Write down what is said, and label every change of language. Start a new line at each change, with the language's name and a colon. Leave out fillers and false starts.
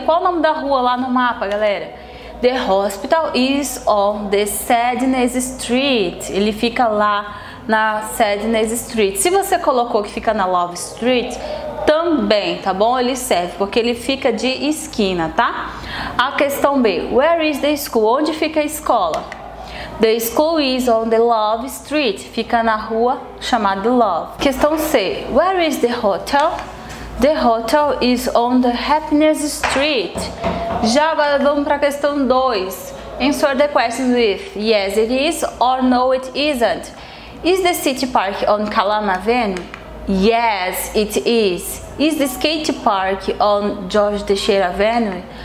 Portuguese: Qual o nome da rua lá no mapa, galera?
English: The hospital is on the Sadness Street.
Portuguese: Ele fica lá na Sadness Street. Se você colocou que fica na Love Street, também, tá bom? Ele serve, porque ele fica de esquina, tá? A questão B:
English: where is the school?
Portuguese: Onde fica a escola?
English: The school is on the Love Street.
Portuguese: Fica na rua chamada Love. Questão C.
English: Where is the hotel? The hotel is on the Happiness Street.
Portuguese: Já agora vamos para a questão 2.
English: Answer the questions with yes it is or no it isn't. Is the city park on Calama Avenue? Yes, it is. Is the skate park on George Teixeira Avenue?